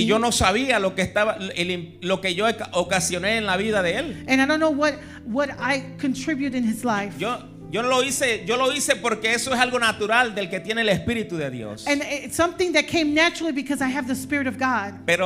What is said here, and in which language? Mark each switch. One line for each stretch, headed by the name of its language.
Spanish: Y yo no sabía lo que estaba, lo que yo ocasioné en la vida de él.
English: And I don't know what I contributed in his life.
Spanish: Yo lo hice porque eso es algo natural del que tiene el Espíritu de Dios.
English: And it's something that came naturally because I have the Spirit of God.